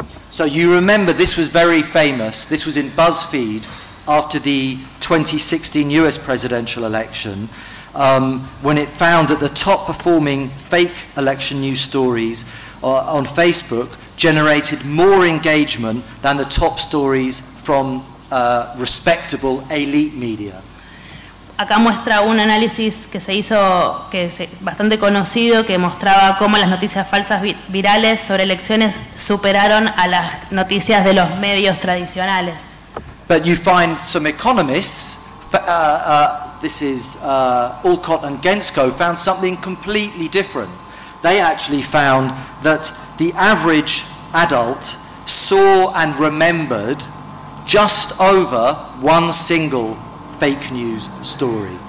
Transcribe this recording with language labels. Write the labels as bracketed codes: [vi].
[en] So you remember this was very famous. This was in BuzzFeed after the 2016 US presidential election, when it found that the top performing fake election news stories on Facebook generated more engagement than the top stories from respectable elite media. [es] Acá muestra un análisis que se hizo, que es bastante conocido, que mostraba cómo las noticias falsas virales sobre elecciones superaron a las noticias de los medios tradicionales. [en] But you find some economists, this is Alcott and Gensko, found something completely different. They actually found that the average adult saw and remembered just over one single fake news story.